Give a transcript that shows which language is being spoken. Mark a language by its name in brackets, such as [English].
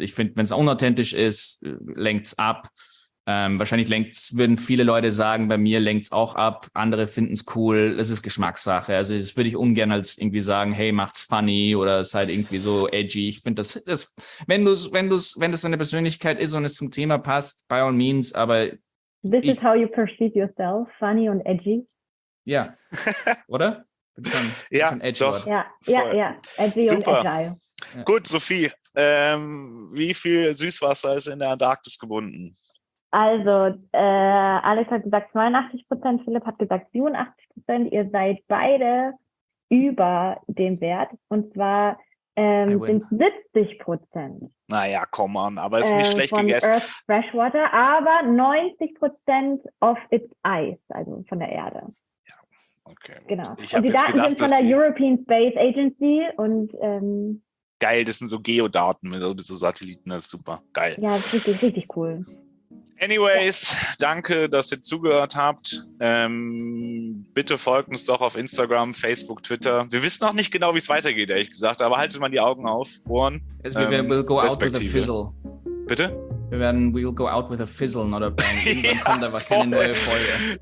[German] Ich finde, wenn es unauthentisch ist, lenkt's ab. Wahrscheinlich würden viele Leute sagen, bei mir lenkt es auch ab, andere finden es cool, es ist Geschmackssache. Also das würde ich ungern als irgendwie sagen, hey, macht's funny oder seid irgendwie so edgy. Ich finde wenn das deine Persönlichkeit ist und es zum Thema passt, [English] by all means, [German] aber [English] this is how you perceive yourself, funny und edgy. [German] Ja. Oder? Edgy und agile. Ja. Gut, Sophie, wie viel Süßwasser ist in der Antarktis gebunden? Also, Alex hat gesagt 82%, Philipp hat gesagt 87%. Ihr seid beide über dem Wert. Und zwar sind 70%. Naja, [English] come on, [German] aber es ist nicht schlecht von gegessen. [English] Earth Freshwater, [German] aber [English] 90% of its ice, [German] also von der Erde. Ja, okay. Gut. Genau. Und die Daten sind von der European Space Agency und geil, das sind so Geodaten mit so Satelliten, das ist super. Geil. Ja, das ist richtig, richtig cool. Anyways, danke, dass ihr zugehört habt. Bitte folgt uns doch auf Instagram, Facebook, Twitter. Wir wissen noch nicht genau, wie es weitergeht, ehrlich gesagt, aber haltet mal die Augen auf. Ohren. [English] We'll go out with a fizzle. [German] Bitte? Wir werden, [English] we will go out with a fizzle, not a bang. [German] Irgendwann kommt aber keine neue Folge.